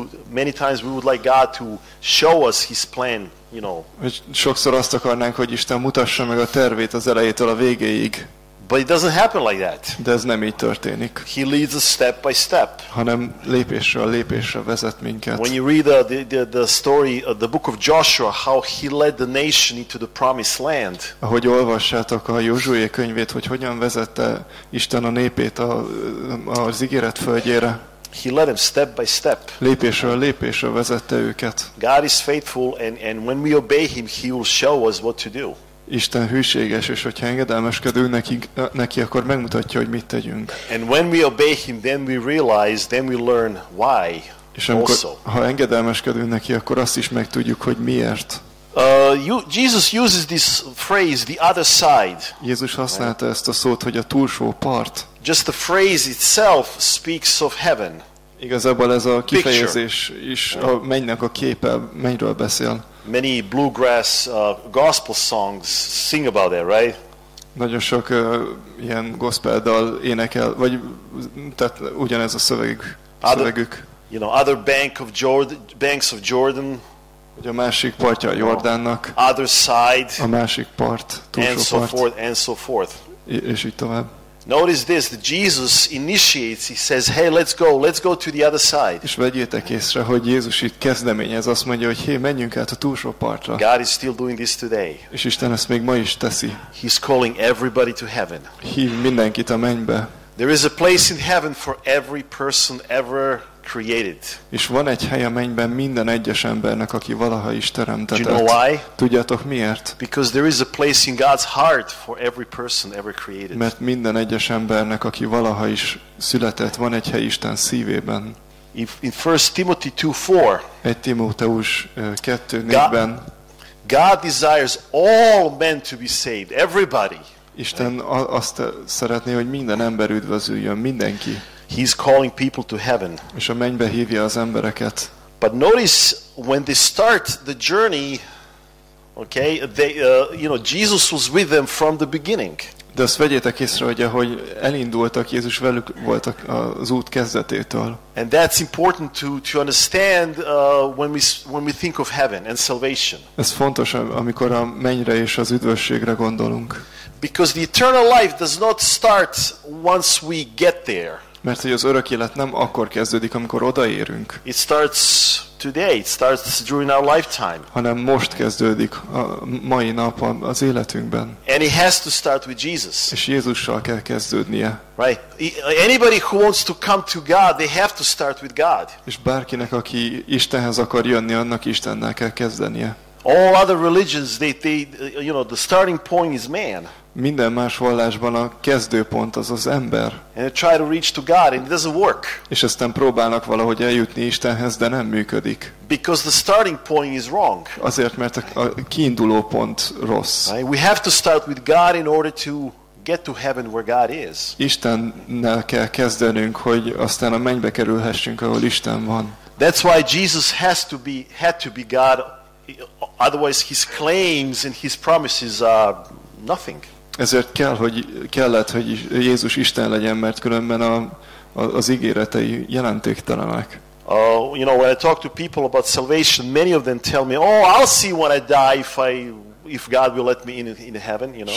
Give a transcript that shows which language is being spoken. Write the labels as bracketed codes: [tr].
[en] Many times we would like God to show us his plan, you know. [hu] Sokszor azt akarnánk, hogy Isten mutassa meg a tervét az elejétől a végéig. [en] But it doesn't happen like that. [hu] De ez nem így történik. [en] He leads us step by step. [hu] Hanem lépésről lépésre vezet minket. [en] When you read the story of the book of Joshua, how he led the nation into the promised land. [hu] Ahogy olvassátok a Józsué könyvét, hogy hogyan vezette Isten a népét az ígéret földjére. [en] He led them step by step. [hu] Lépésről lépésre vezette őket. [en] God is faithful and when we obey him, he will show us what to do. [hu] Isten hűséges, és hogyha engedelmeskedünk neki, akkor megmutatja, hogy mit tegyünk. [en] And when we obey him, then we realize, then we learn why. [hu] És amikor, ha engedelmeskedünk neki, akkor azt is megtudjuk, hogy miért. [en] Jesus uses this phrase, the other side. [hu] Jézus használta ezt a szót, hogy a túlsó part. [en] Just the phrase itself speaks of heaven. [hu] Igazából ez a kifejezés is a mennynek a képe, mennyről beszél. [en] Many bluegrass gospel songs sing about that, right? [hu] Nagyon sok ilyen gospel dal énekel, vagy tehát ugyanez a szövegük. [en] You know, other banks of Jordan. [hu] Ugye a másik partja a Jordánnak. [en] Other side. [hu] A másik part, túlsó [en] and [hu] part. [en] So forth, and so forth. [hu] És így tovább. [en] Notice this, that Jesus initiates, he says, hey, let's go to the other side. [hu] És vegyétek észre, hogy Jézus itt kezdeményez, azt mondja, hogy hey, menjünk át a túlsó partra. [en] God is still doing this today. [hu] És Isten ezt még ma is teszi. [en] He's calling everybody to heaven. [hu] Hív mindenkit a mennybe. [en] There is a place in heaven for every person ever created. [hu] És van egy hely a mennyben minden egyes embernek, aki valaha is teremtetett. [en] Do you know why? [hu] Tudjátok miért? [en] Because there is a place in God's heart for every person ever created. [hu] Mert minden egyes embernek, aki valaha is született, van egy hely Isten szívében. [en] In 1 Timothy 2:4. [hu] 1 Timóteus 2:4-ben. [en] God desires all men to be saved, everybody. [hu] Isten azt szeretné, hogy minden ember üdvözüljön, mindenki. [en] He's calling people to heaven. [hu] És a mennybe hívja az embereket. [en] But notice when they start the journey, okay, they you know, Jesus was with them from the beginning. [hu] De azt vegyétek észre, hogy ahogy elindultak, Jézus velük volt az út kezdetétől. [en] And that's important to understand when we think of heaven and salvation. [hu] Ez fontos, amikor a mennyre és az üdvösségre gondolunk. [en] Because the eternal life does not start once we get there. [hu] Mert hogy az örök élet nem akkor kezdődik, amikor odaérünk. [en] It starts today, it starts during our lifetime. [hu] Hanem most kezdődik a mai nap az életünkben. [en] And it has to start with Jesus. És Jézussal kell kezdődnie. Right. Anybody who wants to come to God, they have to start with God. [hu] És bárkinek, aki Istenhez akar jönni, annak Istennel kell kezdenie. [en] All other religions, they, you know, the starting point is man. [hu] Minden más vallásban a kezdőpont az az ember. [en] And try to reach to God, and it doesn't work. [hu] És aztán próbálnak valahogy eljutni Istenhez, de nem működik. [en] Because the starting point is wrong. [hu] Azért, mert a kiinduló pont rossz. [en] Right? We have to start with God in order to get to heaven where God is. [hu] Istennel kell kezdenünk, hogy aztán a mennybe kerülhessünk, ahol Isten van. [en] That's why Jesus had to be God, otherwise his claims and his promises are nothing. [hu] Ezért kellett, hogy Jézus Isten legyen, mert különben az ígéretei jelentéktelenek. [en] You know, when I talk to people about salvation, many of them tell me, "Oh, I'll see when I die if God will let me in heaven, you know."